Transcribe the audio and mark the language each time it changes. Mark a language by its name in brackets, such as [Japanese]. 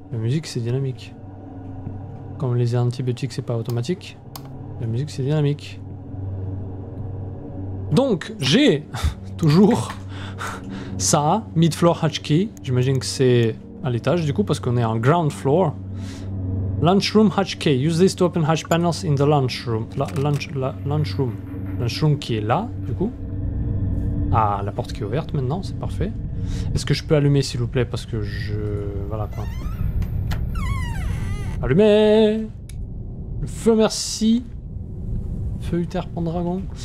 [French] La musique, c'est dynamique. Comme les antibiotiques, c'est pas automatique. La musique, c'est dynamique. Donc, j'ai toujours ça, [English] mid-floor hatch key. [French] J'imagine que c'est à l'étage, du coup, parce qu'on est en [English] ground floor. Lunchroom hatch key. Use this to open hatch panels in the lunchroom. [French] Lunchroom. Lunchroom qui est là, du coup. Ah, la porte qui est ouverte maintenant, c'est parfait. Est-ce que je peux allumer, s'il vous plaît, parce que je... Voilà, quoi. Allumer ! Le feu, merci. Feu uter pendragon.